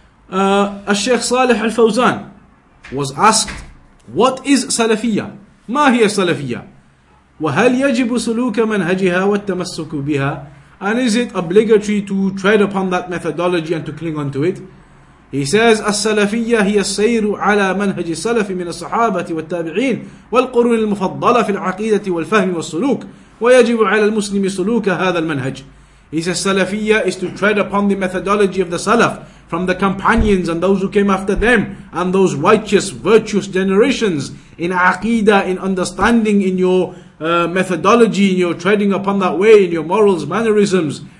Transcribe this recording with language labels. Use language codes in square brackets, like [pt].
[en] Al-Shaykh Salih Al-Fawzan was asked, what is Salafiyya? [ar] Ma hiya Salafiyya? وَهَلْ يَجِبُ سُلُوكَ مَنْهَجِهَا وَالتَّمَسُّكُ بِهَا? [en] And is it obligatory to tread upon that methodology and to cling on to it? He says, [ar] السلفية هي السير على منهج السلف من الصحابة والتابعين والقرون المفضلة في العقيدة والفهم والسلوك ويجب على المسلم سلوك هذا المنهج. [en] He says, السلفية is to tread upon the methodology of the Salaf from the companions and those who came after them and those righteous, virtuous generations in aqidah, in understanding, in your methodology, in your treading upon that way, in your morals, mannerisms.